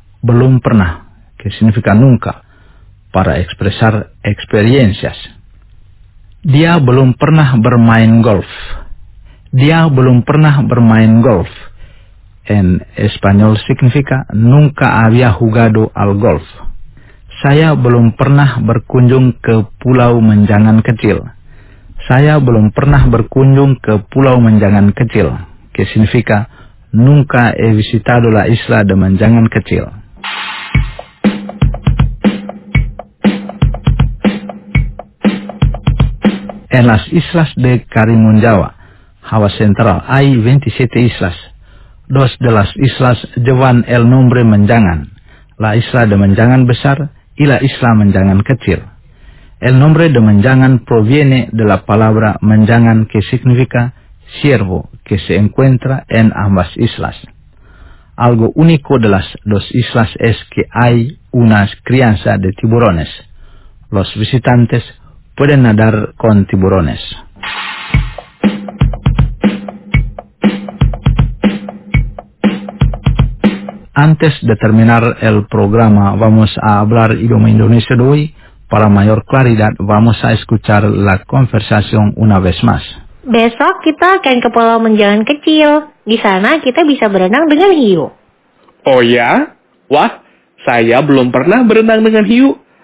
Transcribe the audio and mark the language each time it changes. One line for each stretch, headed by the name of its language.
Indonesian: Belum pernah,
Spanish: que significa nunca, para expresar experiencias.
Indonesian: Dia belum pernah bermain golf. Dia belum pernah bermain golf.
Spanish: En español significa nunca había jugado al golf.
Indonesian: Saya belum pernah berkunjung ke Pulau Menjangan Kecil. Saya belum pernah berkunjung ke Pulau Menjangan Kecil.
Spanish: Que significa nunca he visitado la isla de Menjangan Kecil. En las islas de Karimun Jawa, Java Central, hay 27 islas. dos de las islas jevan el nombre menjangan. La isla de menjangan besar, y la isla menjangan kecil. El nombre de menjangan proviene de la palabra menjangan que significa siervo que se encuentra en ambas islas. Algo único de las dos islas es que hay una crianza de tiburones. Los visitantes pueden nadar con tiburones. Antes de terminar el programa, vamos a hablar idioma indonesio de hoy. Para mayor claridad, vamos a escuchar la conversación una vez más.
Indonesian: Besok kita akan ke Pulau Menjangan kecil. Di sana kita bisa berenang dengan hiu. Oh ya? Wah, saya belum pernah berenang dengan hiu.